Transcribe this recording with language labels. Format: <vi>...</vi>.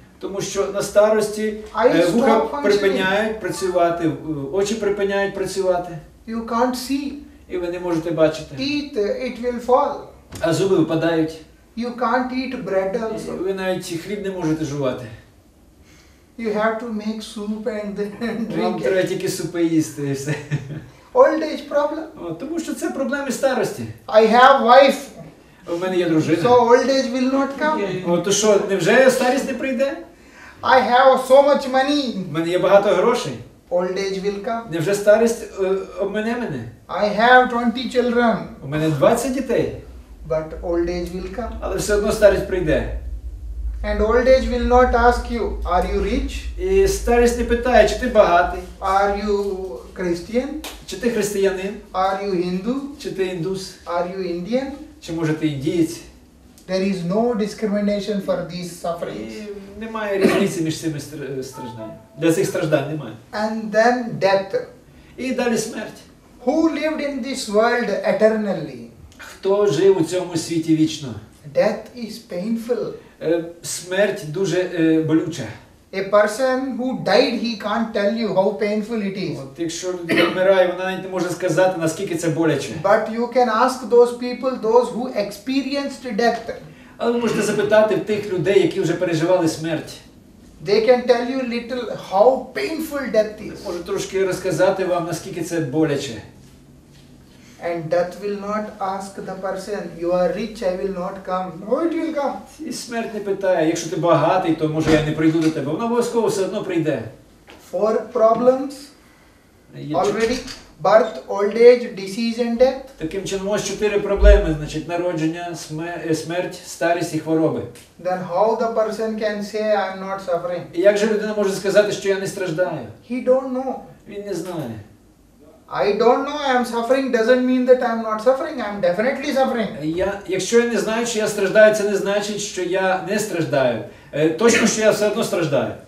<uk>Тому що на старості вуха припиняють працювати, очі припиняють працювати.</uk> <en>You can't see.</en> <uk>І ви не можете бачити.</uk> <en>Teeth, it will fall.</en> <uk>А зуби випадають.</uk> <en>You can't eat bread also.</en> <uk>Ви навіть хліб не можете жувати.</uk> <en>You have to make soup and then drink.</en> <uk>Вам треба тільки супи їсти і все.</uk> <en>Old age problem?</en> <uk>Тому що це проблеми старості.</uk> <en>I have wife.</en> <uk>У мене є дружина.</uk> <en>So old age will not come.</en> <uk>То що, невже старість не прийде?</uk> <en>I have so much money.</en> <uk>У мене є багато грошей.</uk> <en>Old age will come.</en> <uk>Невже старість обмине мене?</uk> <en>I have 20 children.</en> <uk>У мене 20 дітей.</uk> <en>But old age will come.</en> <uk>Але все одно старість прийде.</uk> <en>And old age will not ask you, are you rich?</en> <uk>І старість не питає, чи ти багатий?</uk> <en>Are you Christian?</en> <uk>Чи ти християнин?</uk> <en>Are you Hindu?</en> <uk>Чи ти індус?</uk> <en>Are you Indian?</en> <uk>Чи може ти індієць?</uk> <en>There is no discrimination for these sufferings.</en> <uk>Немає різниці між цими стражданнями. Для цих страждань немає.</uk> <en>And then death.</en> <uk>І далі смерть.</uk> <en>Who lived in this world eternally?</en> <uk>Хто жив у цьому світі вічно?</uk> <en>Death is painful.</en> <uk>Смерть дуже болюча.</uk> <en>A person who died, he can't tell you how painful it is.</en> <uk>От якщо людина вмирає, вона навіть не може сказати, наскільки це боляче.</uk> <en>But you can ask those people, those who experienced death.</en> <uk>Але ви можете запитати в тих людей, які вже переживали смерть.</uk> <en>They can tell you little how painful death is.</en> <uk>Може трошки розказати вам, наскільки це боляче.</uk> <en>And death will not ask the person, you are rich, I will not come. No, it will come.</en> <uk>І смерть не питає, якщо ти багатий, то може я не прийду до тебе. Вона обов'язково все одно прийде.</uk> <en>Four problems already. Birth, old age, disease and death.</en> <uk>Таким чином, ось чотири проблеми, значить, народження, смерть, старість і хвороби.</uk> <en>Then how the person can say, I'm not suffering?</en> <uk>І як же людина може сказати, що я не страждаю?</uk> <en>He don't know.</en> <uk>Він не знає.</uk> <en>I don't know I am suffering doesn't mean that I am not suffering, I am definitely suffering.</en> <uk>Якщо я не знаю, що я страждаю, це не значить, що я не страждаю. Точно, що я все одно страждаю.</uk>